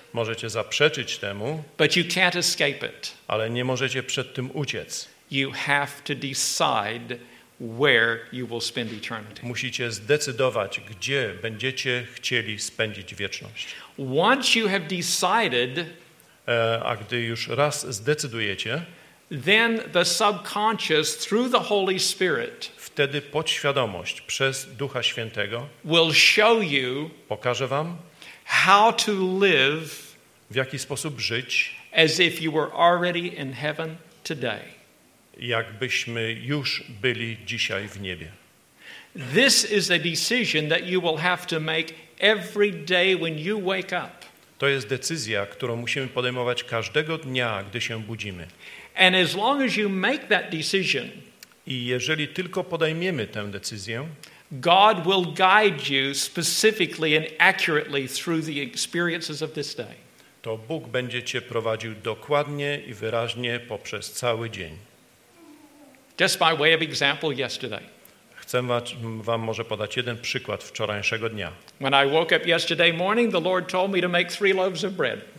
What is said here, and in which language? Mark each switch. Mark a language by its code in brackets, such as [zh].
[pl] Możecie zaprzeczyć temu. [en] But you can't escape it. [pl] Ale nie możecie przed tym uciec. [en] You have to decide where you will spend eternity. [pl] Musicie zdecydować, gdzie będziecie chcieli spędzić wieczność. [en] Once you have decided, [pl] a gdy już raz zdecydujecie, [en] then the subconscious through the Holy Spirit, [pl] wtedy podświadomość przez Ducha Świętego [en] will show you, [pl] pokaże wam, [en] how to live, [pl] w jaki sposób żyć, [en] as if you were already in heaven today. [pl] Jakbyśmy już byli dzisiaj w niebie. [en] This is a decision that you will have to make every day when you wake up. [pl] To jest decyzja, którą musimy podejmować każdego dnia, gdy się budzimy. [en] And as long as you make that decision, [pl] i jeżeli tylko podejmiemy tę decyzję, [en] God will guide you specifically and accurately through the experiences of this day. [pl] To Bóg będzie cię prowadził dokładnie i wyraźnie poprzez cały dzień. [en] Just by way of example yesterday. [pl] Chcę wam może podać jeden przykład wczorajszego dnia. [en] When I woke up yesterday morning, the Lord told me to make 3 loaves of bread.